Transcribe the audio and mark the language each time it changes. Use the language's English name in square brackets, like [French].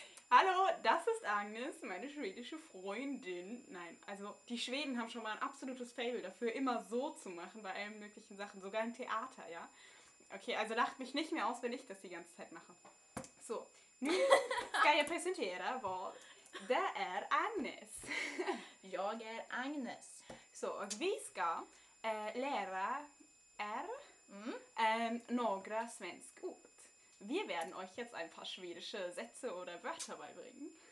[German] Hallå, das ist Agnes, meine schwedische Freundin. Nein, also die Schweden haben schon mal ein absolutes Fable dafür, immer so zu machen bei allen möglichen Sachen, sogar im Theater, ja? Okay, also lacht mich nicht mehr aus, wenn ich das die ganze Zeit mache. [Swedish] So, nun ska jag presentera vad det är Agnes. Jag är Agnes. Så, och vi ska lära er några svenska ord. [German] Vi werden euch jetzt ein paar schwedische Sätze oder Wörter beibringen.